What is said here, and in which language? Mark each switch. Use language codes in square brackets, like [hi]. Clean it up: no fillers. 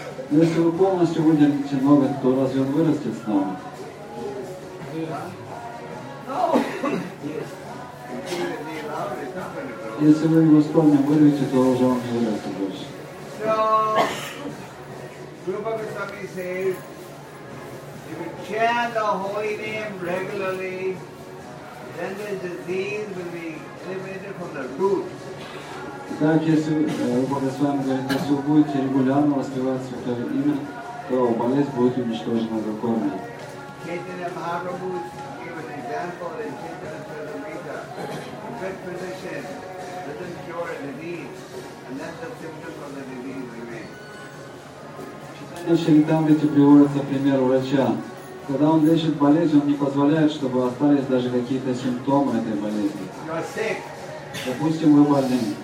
[ru] Если вы полностью выдернете ноготь, то разве он вырастет снова? [en] Yeah. No. Yes. [ru] Если мы его вспомним, вырвите, то уже он не вырвется больше. [en] So, Rupa Goswami says, if you chant the holy name regularly, then the disease will be eliminated from the root. [ru] Итак, если Рупа Госвами говорит, если вы будете регулярно воспевать Святое Имя, то болезнь будет уничтожена до корня. [en] Chaitanya Mahaprabhu gave an example in Chaitanya Charitamrita. A good physician doesn't cure a disease unless the symptoms of the disease remain. [ru] Значит, там, где приводится пример врача. Когда он лечит болезнь, он не позволяет, чтобы остались даже какие-то симптомы этой болезни. Допустим, вы больны.